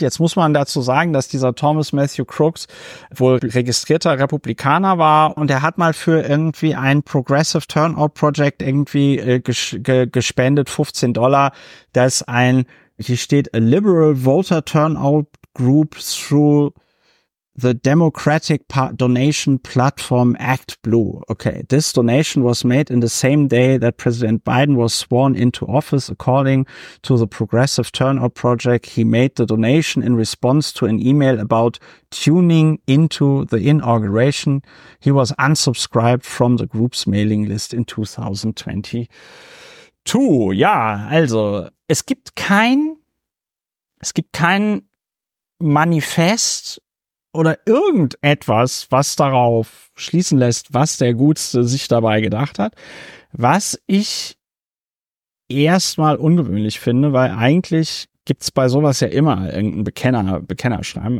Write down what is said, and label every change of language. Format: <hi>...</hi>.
<de>Jetzt muss man dazu sagen, dass dieser Thomas Matthew Crooks wohl registrierter Republikaner war und er hat mal für irgendwie ein Progressive Turnout Project irgendwie gespendet, $15, dass ein, hier steht,</de> <en>a liberal voter turnout group through the Democratic Donation Platform Act Blue. Okay, this donation was made in the same day that President Biden was sworn into office. According to the Progressive Turnout Project, he made the donation in response to an email about tuning into the inauguration. He was unsubscribed from the group's mailing list in 2022.</en> <de>Ja, also, es gibt kein Manifest oder irgendetwas, was darauf schließen lässt, was der Gutste sich dabei gedacht hat. Was ich erstmal ungewöhnlich finde, weil eigentlich gibt's bei sowas ja immer irgendein Bekennerschreiben.</de>